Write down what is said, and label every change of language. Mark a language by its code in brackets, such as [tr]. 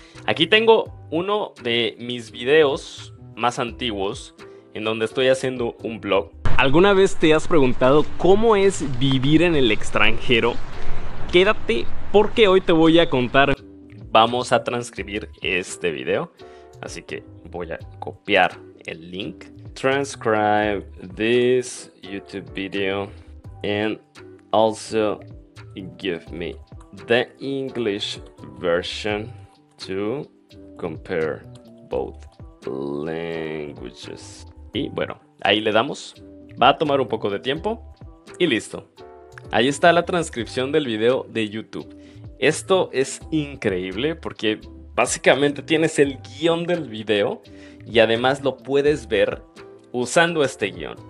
[es] Aquí tengo uno de mis videos más antiguos en donde estoy haciendo un blog. ¿Alguna vez te has preguntado cómo es vivir en el extranjero? Quédate porque hoy te voy a contar. Vamos a transcribir este video, así que voy a copiar el link. [en] Transcribe this YouTube video and also give me the English version to compare both languages. [es] Y bueno, ahí le damos. Va a tomar un poco de tiempo y listo. Ahí está la transcripción del video de YouTube. Esto es increíble porque básicamente tienes el guión del video y además lo puedes ver usando este guión.